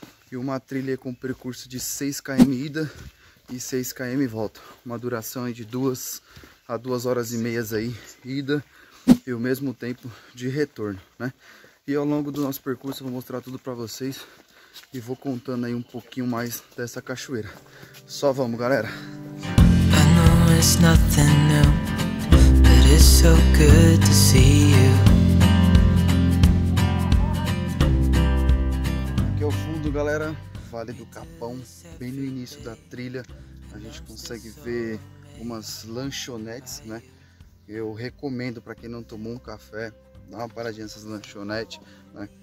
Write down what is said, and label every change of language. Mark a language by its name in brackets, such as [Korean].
[Portuguese] E uma trilha com percurso de 6 km ida e 6 km volta. Uma duração aí de 2 a 2 horas e meia aí, ida, e o mesmo tempo de retorno, né? E ao longo do nosso percurso eu vou mostrar tudo para vocês e vou contando aí um pouquinho mais dessa cachoeira. Só vamos, galera! [English] It's nothing new, but it's so good to see you. [Portuguese] Aqui ao fundo, galera, Vale do Capão, bem no início da trilha, a gente consegue ver umas lanchonetes, né? Eu recomendo para quem não tomou um café, dá uma paradinha nessas lanchonetes, né?